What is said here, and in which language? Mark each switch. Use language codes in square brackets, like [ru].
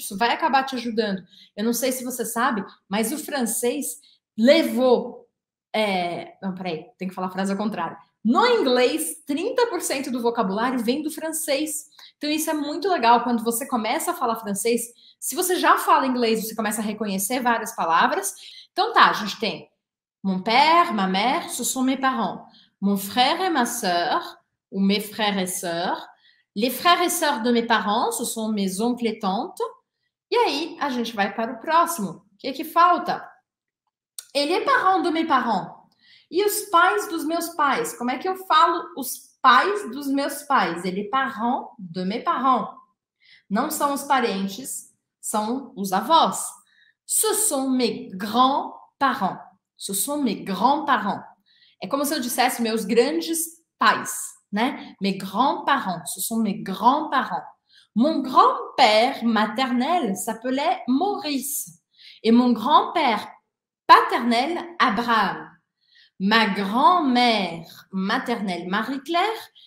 [pt] Isso vai acabar te ajudando. Eu não sei se você sabe, mas o francês levou... Não, peraí, tem que falar a frase ao contrário. No inglês, 30% do vocabulário vem do francês. Então, isso é muito legal. Quando você começa a falar francês, se você já fala inglês, você começa a reconhecer várias palavras. Então, tá, a gente tem [fr] mon père, ma mère, ce sont mes parents. Mon frère et ma sœur, ou mes frères et sœurs. Les frères et sœurs de mes parents, ce sont mes oncles et tantes. [pt] E aí, a gente vai para o próximo. O que é que falta? [fr] Et les parents de mes parents. [pt] E os pais dos meus pais? Como é que eu falo os pais dos meus pais? [fr] Les parents de mes parents. [pt] Não são os parentes, são os avós. [fr] Ce sont mes grands-parents. Ce sont mes grands-parents. [pt] É como se eu dissesse meus grandes pais, né? [fr] Mes grands-parents, ce sont mes grands-parents. Mon grand-père maternel s'appelait Maurice. Et mon grand-père paternel, Abraham. Ma grand-mère maternelle, Marie-Claire.